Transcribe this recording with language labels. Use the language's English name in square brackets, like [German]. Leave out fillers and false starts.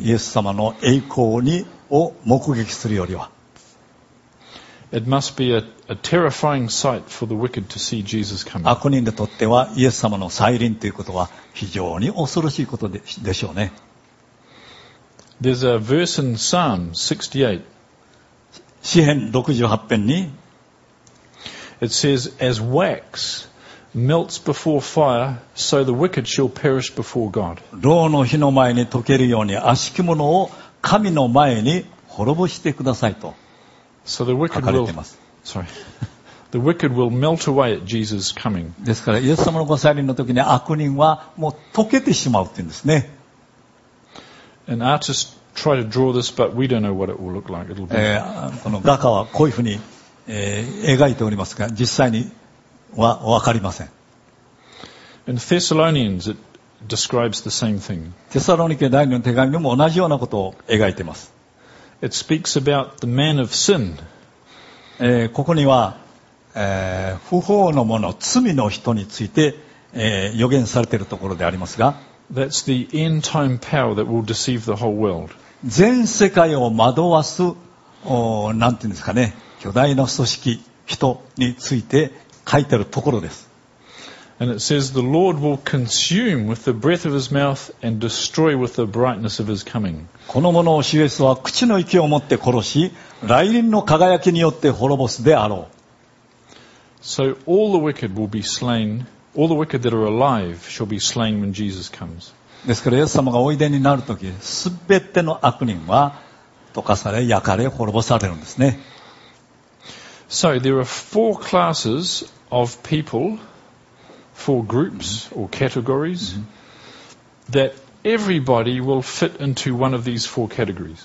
[Japanese] イエス様の栄光を目撃するよりは、 [English] It must be a terrifying sight for the wicked to see Jesus coming. [Japanese] 悪人にとってはイエス様の再臨ということは非常に恐ろしいことでしょうね。 [English] There's a verse in Psalm 68. [Japanese] 詩編68編に [English] It says, As wax melts before fire, so the wicked shall perish before God. [Japanese] 炉の火の前に溶けるように悪しき者を神の前に滅ぼしてくださいと。 [English] So the wicked will, sorry, the wicked will melt away at Jesus coming. [Japanese] ですからイエス様のご再臨の時に悪人はもう溶けてしまうって言うんですね。 [English] An artist tried to draw this, but we don't know what it will look like. It'll be... [Japanese] この画家はこういうふうに、描いておりますが、実際にはわかりません。 [English] In Thessalonians, it describes the same thing. [Japanese] テサロニケ第2の手紙にも同じようなことを描いています。 [English] It speaks about the man of sin. [Japanese] ここには、不法のもの、罪の人について、予言されているところでありますが、 [English] That's the end time power that will deceive the whole world. [Japanese] 全世界を惑わす、なんていうんですかね、巨大な組織、人について書いているところです。 [English] And it says the Lord will consume with the breath of his mouth and destroy with the brightness of his coming. [Japanese] この者を主イエスは口の息を持って殺し、雷輪の輝きによって滅ぼすであろう。 [English] So all the wicked will be slain, all the wicked that are alive shall be slain when Jesus comes. [Japanese] ですからイエス様がおいでになるとき、すべての悪人は溶かされ、焼かれ、滅ぼされるんですね。 [English] So there are four classes of people Four groups or categories that everybody will fit into one of these four categories.